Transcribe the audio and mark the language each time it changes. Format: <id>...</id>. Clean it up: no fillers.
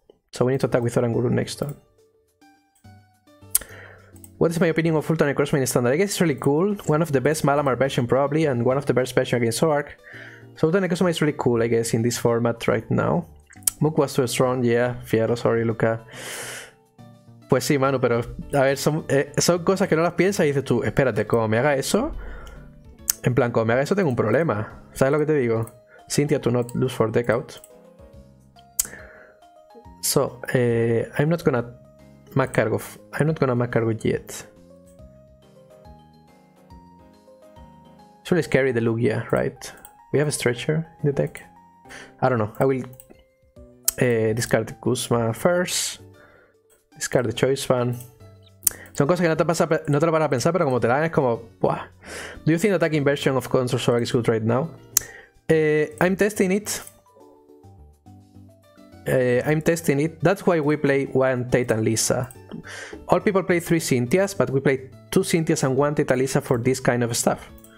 <en>So we need to attack with Oranguru next turn. What is my opinion of Ultra Necrozmine Standard? I guess it's really cool. One of the best Malamar version probably, and one of the best versions against Zoroark. So Ultra Necrozmine is really cool, I guess, in this format right now. Mook was too strong, yeah. Fiero, sorry, Luca.</en> <es>Pues sí, Manu, pero... A ver, son cosas que no las piensas y dices tú, espérate, como me haga eso... En plan, como me haga eso, tengo un problema. ¿Sabes lo que te digo?</es> <en>Cynthia, to not lose for deck out. I'm not gonna... I'm not gonna make cargo yet. It's really scary, the Lugia, right? We have a stretcher in the deck. I don't know. I will discard the Kuzma first. Discard the Choice Fan.</en> <es>Son cosas que no te, pasa, no te lo vas a pensar, pero como te dan es como... Buah.</es> <en>Do you think the attacking version of Control Zoroark is good right now? I'm testing it. That's why we play one Tate and Lisa. All people play three Cynthias, but we play two Cynthias and one Tate and Lisa for this kind of stuff.</en>